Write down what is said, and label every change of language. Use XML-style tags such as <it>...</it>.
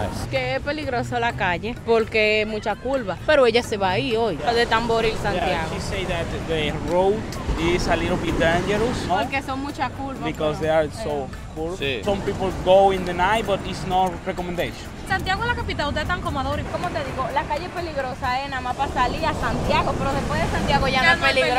<es>Que es peligroso la calle porque mucha curva, pero ella se va ahí hoy. Yeah. De Tamboril, Santiago.</es> <en>Yeah, she said that the road is a little bit dangerous.</en> <es>No? Porque son muchas curvas.</es> <en>Because they are so curved.</en> <es>Sí.</es> <en>Some people go in the night, but it's not recommendation.</en> <es>Santiago es la capital, usted está tan comodoro. Como te digo, la calle es peligrosa, nada más para salir a Santiago, pero después de Santiago ya, no es peligroso.</es>